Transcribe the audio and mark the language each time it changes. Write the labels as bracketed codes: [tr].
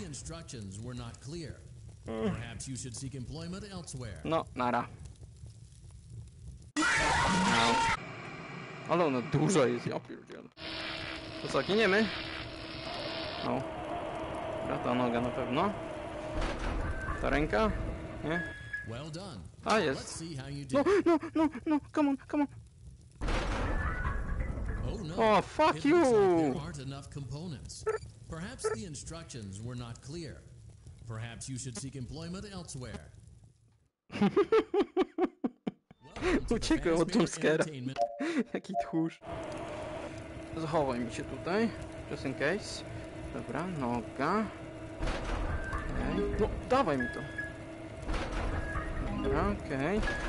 [en] Instructions were not clear. Perhaps you should seek employment elsewhere. [pl] No, nara. No. Ale ona duża jest, ja pierdzielę. To co, giniemy? No. Dobra, ta noga na pewno. Ta ręka? Nie? [en] Well done. [pl] A, jest. [en] Let's see how you do. [pl] No, [en] come on. Oh, fuck you! There aren't enough components. Perhaps the instructions were not clear. Perhaps you should seek employment elsewhere. [pl] Uciekłem od jumpscare'a. Jaki tchórz. Zachowaj mi się tutaj. [en] Just in case. [pl] Dobra, noga. Okay. No, dawaj mi to. Dobra, okej. Okay.